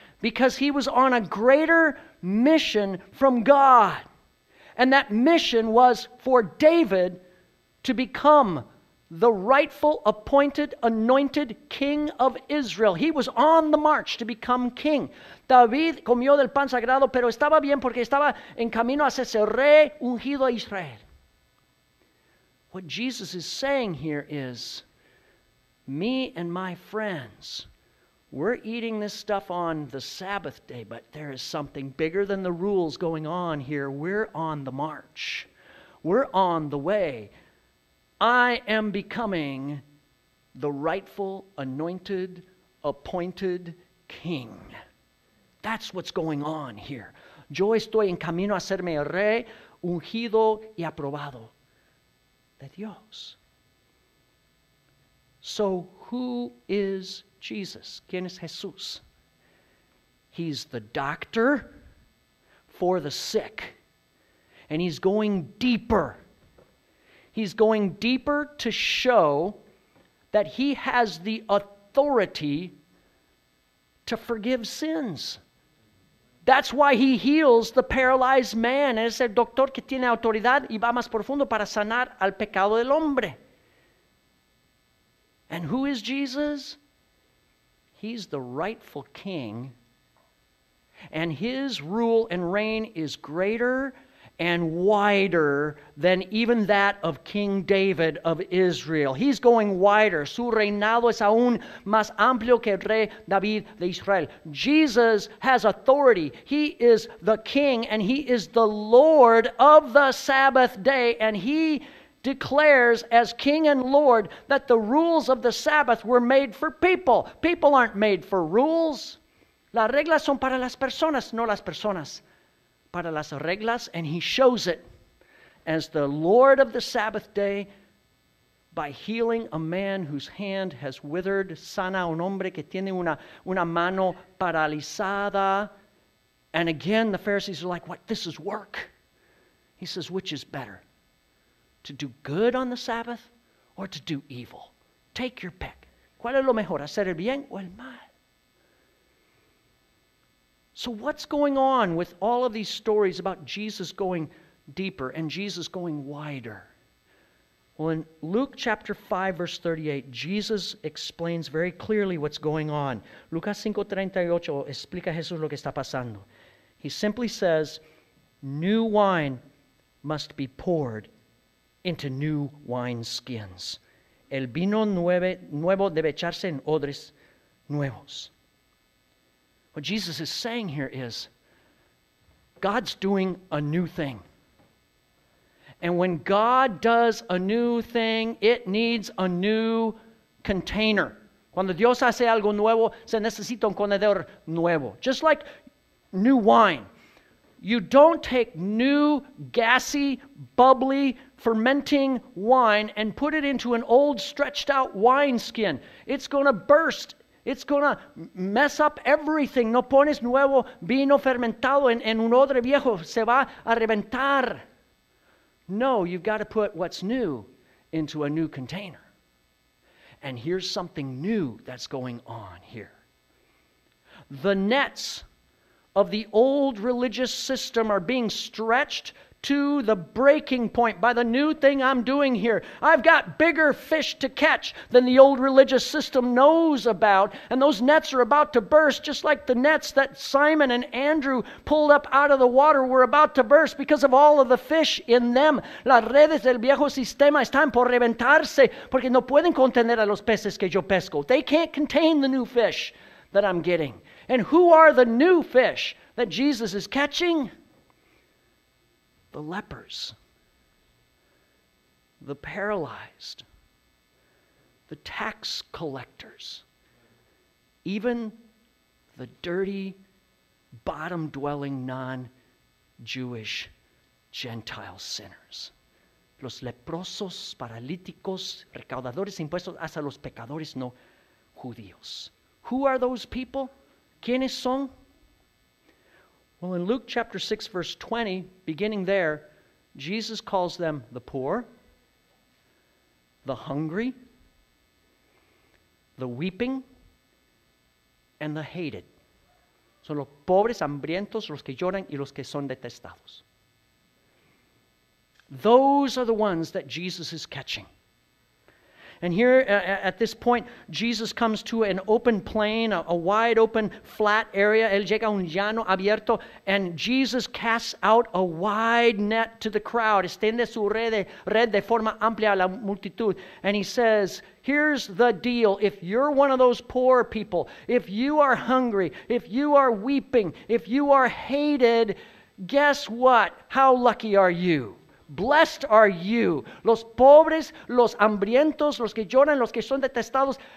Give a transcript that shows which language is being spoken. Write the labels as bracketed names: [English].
[English] Because he was on a greater mission from God. And that mission was for David to become the rightful, appointed, anointed king of Israel. He was on the march to become king. [Spanish] David comió del pan sagrado, pero estaba bien porque estaba en camino a ser rey ungido a Israel. [English] What Jesus is saying here is, me and my friends, we're eating this stuff on the Sabbath day, but there is something bigger than the rules going on here. We're on the march. We're on the way. I am becoming the rightful, anointed, appointed king. That's what's going on here. [Spanish] Yo estoy en camino a serme rey, ungido y aprobado de Dios. [English] So who is Jesus? [Spanish] ¿Quién es Jesús? [English] He's the doctor for the sick. And he's going deeper. He's going deeper to show that he has the authority to forgive sins. That's why he heals the paralyzed man. [Spanish] Es el doctor que tiene autoridad y va más profundo para sanar al pecado del hombre. [English] And who is Jesus? He's the rightful king. And his rule and reign is greater and wider than even that of King David of Israel. He's going wider. [Spanish] Su reinado es aún más amplio que el rey David de Israel. [English] Jesus has authority. He is the king and he is the Lord of the Sabbath day. And he declares as king and Lord that the rules of the Sabbath were made for people. People aren't made for rules. [Spanish] Las reglas son para las personas, no las personas. Para las reglas, [English] and he shows it as the Lord of the Sabbath day by healing a man whose hand has withered. [Spanish] Sana un hombre que tiene una mano paralizada. [English] And again, the Pharisees are like, what? This is work. He says, which is better, to do good on the Sabbath or to do evil? Take your pick. [Spanish] ¿Cuál es lo mejor, hacer el bien o el mal? [English] So what's going on with all of these stories about Jesus going deeper and Jesus going wider? Well, in Luke chapter 5, verse 38, Jesus explains very clearly what's going on. [Spanish] Lucas 5:38 explica a Jesús lo que está pasando. [English] He simply says, new wine must be poured into new wine skins. [Spanish] El vino nuevo debe echarse en odres nuevos. [English] What Jesus is saying here is, God's doing a new thing. And when God does a new thing, it needs a new container. [Spanish] Cuando Dios hace algo nuevo, se necesita un contenedor nuevo. [English] Just like new wine. You don't take new, gassy, bubbly, fermenting wine and put it into an old, stretched out wineskin. It's going to burst. It's going to mess up everything. [Spanish] No pones nuevo vino fermentado en un odre viejo. Se va a reventar. [English] No, you've got to put what's new into a new container. And here's something new that's going on here. The nets of the old religious system are being stretched to the breaking point by the new thing I'm doing here. I've got bigger fish to catch than the old religious system knows about, and those nets are about to burst, just like the nets that Simon and Andrew pulled up out of the water were about to burst because of all of the fish in them. [Spanish] Las redes del viejo sistema están por reventarse porque no pueden contener a los peces que yo pesco. [English] They can't contain the new fish that I'm getting. And who are the new fish that Jesus is catching? The lepers, the paralyzed, the tax collectors, even the dirty, bottom-dwelling, non-Jewish Gentile sinners. [Spanish] Los leprosos, paralíticos, recaudadores, impuestos, hasta los pecadores no judíos. [English] Who are those people? [Spanish] ¿Quiénes son? [English] Well, in Luke chapter 6, verse 20, beginning there, Jesus calls them the poor, the hungry, the weeping, and the hated. [Spanish] Son los pobres, hambrientos, los que lloran y los que son detestados. [English] Those are the ones that Jesus is catching. And here, at this point, Jesus comes to an open plain, a wide open, flat area. [Spanish] Él llega a un llano abierto, [English] and Jesus casts out a wide net to the crowd. [Spanish] Extiende su red de forma amplia a la multitud. [English] And he says, here's the deal. If you're one of those poor people, if you are hungry, if you are weeping, if you are hated, guess what? How lucky are you? Blessed are you. [Spanish] Los pobres, los hambrientos, los que lloran, los que son detestados.